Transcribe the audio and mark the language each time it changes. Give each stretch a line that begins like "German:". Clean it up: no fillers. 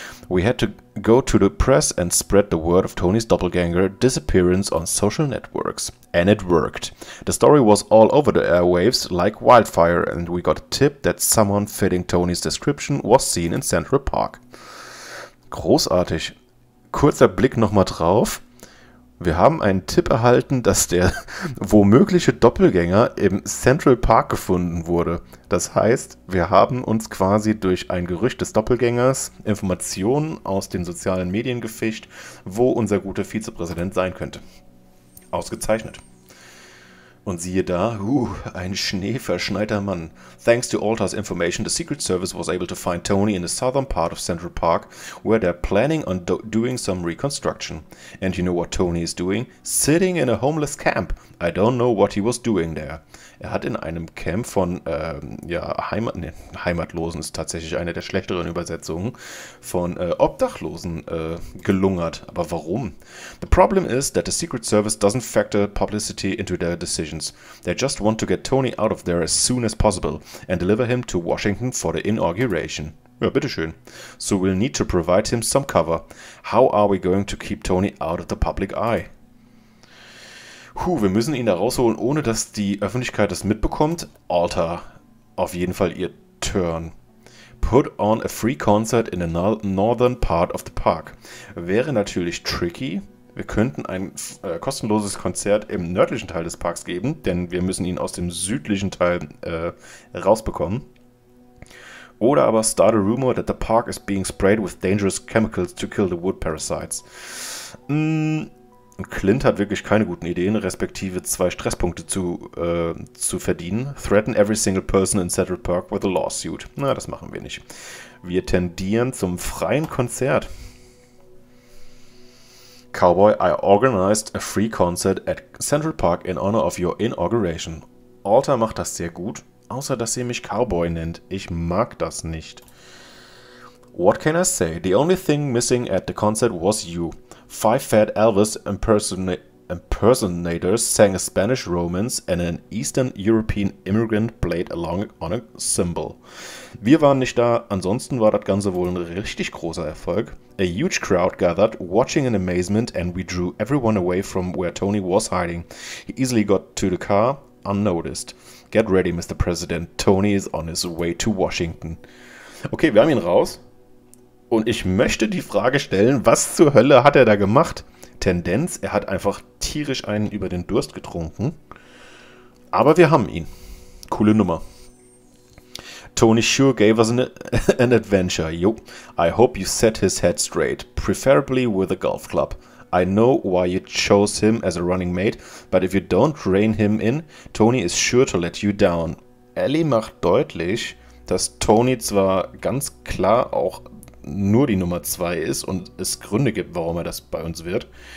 English: We had to go to the press and spread the word of Tony's doppelganger disappearance on social networks. And it worked. The story was all over the airwaves like wildfire and we got a tip that someone fitting Tony's description was seen in Central Park.
German: Großartig. Kurzer Blick nochmal drauf. Wir haben einen Tipp erhalten, dass der womögliche Doppelgänger im Central Park gefunden wurde. Das heißt, wir haben uns quasi durch ein Gerücht des Doppelgängers Informationen aus den sozialen Medien gefischt, wo unser guter Vizepräsident sein könnte. Ausgezeichnet. Und siehe da, ein schneeverschneiter Mann.
English: Thanks to Alter's information, the Secret Service was able to find Tony in the southern part of Central Park, where they're planning on doing some reconstruction. And you know what Tony is doing? Sitting in a homeless camp. I don't know what he was doing there.
German: Er hat in einem Camp von, Heimatlosen ist tatsächlich eine der schlechteren Übersetzungen, von Obdachlosen gelungert. Aber warum?
English: The problem is that the Secret Service doesn't factor publicity into their decisions. They just want to get Tony out of there as soon as possible and deliver him to Washington for the inauguration.
German: Ja, bitteschön.
English: So we'll need to provide him some cover. How are we going to keep Tony out of the public eye?
German: Wir müssen ihn da rausholen, ohne dass die Öffentlichkeit das mitbekommt. Alter, auf jeden Fall ihr Turn.
English: Put on a free concert in the northern part of the park.
German: Wäre natürlich tricky. Wir könnten ein kostenloses Konzert im nördlichen Teil des Parks geben, denn wir müssen ihn aus dem südlichen Teil rausbekommen. Oder aber
English: start a rumor that the park is being sprayed with dangerous chemicals to kill the wood parasites.
German: Clint hat wirklich keine guten Ideen, respektive zwei Stresspunkte zu verdienen.
English: Threaten every single person in Central Park with a lawsuit.
German: Na, das machen wir nicht. Wir tendieren zum freien Konzert.
English: Cowboy, I organized a free concert at Central Park in honor of your inauguration.
German: Alter macht das sehr gut, außer dass ihr mich Cowboy nennt. Ich mag das nicht.
English: What can I say? The only thing missing at the concert was you. Five fat Elvis impersonators sang a Spanish romance and an Eastern European immigrant played along on a cymbal.
German: Wir waren nicht da, ansonsten war das Ganze wohl ein richtig großer Erfolg.
English: A huge crowd gathered, watching in amazement, and we drew everyone away from where Tony was hiding. He easily got to the car, unnoticed. Get ready, Mr. President, Tony is on his way to Washington.
German: Okay, wir haben ihn raus. Und ich möchte die Frage stellen, was zur Hölle hat er da gemacht? Tendenz, er hat einfach tierisch einen über den Durst getrunken. Aber wir haben ihn. Coole Nummer.
English: Tony sure gave us an adventure. Yo, I hope you set his head straight, preferably with a golf club. I know why you chose him as a running mate, but if you don't rein him in, Tony is sure to let you down.
German: Ellie macht deutlich, dass Tony zwar ganz klar auch nur die Nummer 2 ist und es Gründe gibt, warum er das bei uns wird.